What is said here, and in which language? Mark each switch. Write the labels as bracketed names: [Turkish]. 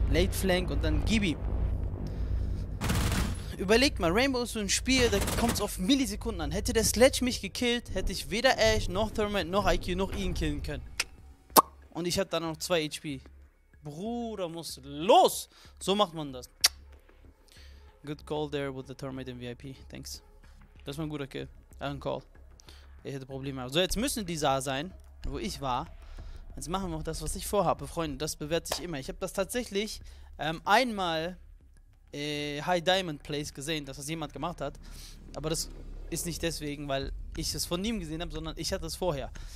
[German] Late Flank und dann Gibi. Überlegt mal, Rainbow ist so ein Spiel, da kommt es auf Millisekunden an. Hätte der Sledge mich gekillt, hätte ich weder Ash, noch Thermite, noch IQ, noch ihn killen können. Und ich habe dann noch 2 HP. Bruder, muss los! So macht man das. [English] Good call there with the Thermite and VIP. [German] Thanks. Das war ein guter Kill. Ein Call. Ich hätte Probleme. So, jetzt müssen die da sein, wo ich war. Jetzt machen wir auch das, was ich vorhabe, Freunde. Das bewährt sich immer. Ich habe das tatsächlich einmal High Diamond Place gesehen, dass das jemand gemacht hat. Aber das ist nicht deswegen, weil ich es von ihm gesehen habe, sondern ich hatte es vorher.